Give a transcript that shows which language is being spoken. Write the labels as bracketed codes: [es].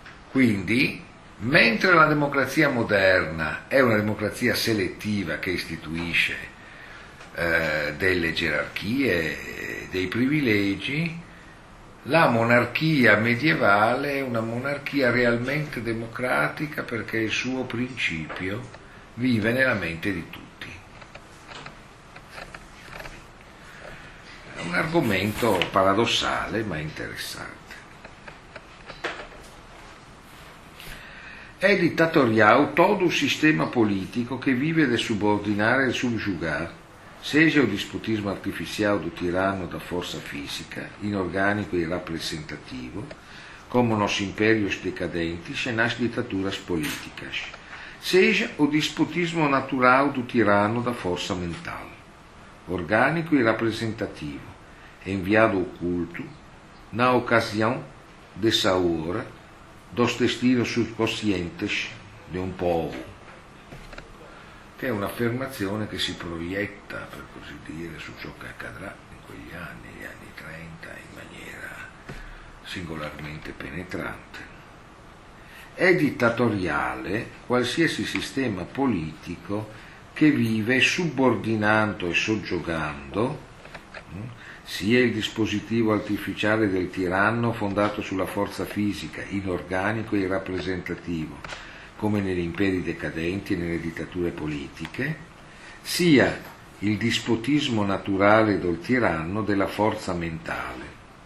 [it] Quindi, mentre la democrazia moderna è una democrazia selettiva che istituisce delle gerarchie, dei privilegi, la monarchia medievale è una monarchia realmente democratica perché il suo principio vive nella mente di tutti. È un argomento paradossale ma interessante. È dittatoriale [pt] todo un sistema politico che vive del subordinare e subjugar, seja o dispotismo artificial do tirano da força física, inorgânico e representativo, como nos impérios decadentes e nas ditaduras políticas, seja o dispotismo natural do tirano da força mental, orgânico e representativo, enviado ao culto, na ocasião dessa hora, dos destinos subconscientes de um povo. [it] Che è un'affermazione che si proietta, per così dire, su ciò che accadrà in quegli anni, negli anni 30, in maniera singolarmente penetrante. È dittatoriale qualsiasi sistema politico che vive subordinando e soggiogando sia il dispositivo artificiale del tiranno fondato sulla forza fisica, inorganico e rappresentativo, come negli imperi decadenti e nelle dittature politiche, sia il dispotismo naturale del tiranno della forza mentale,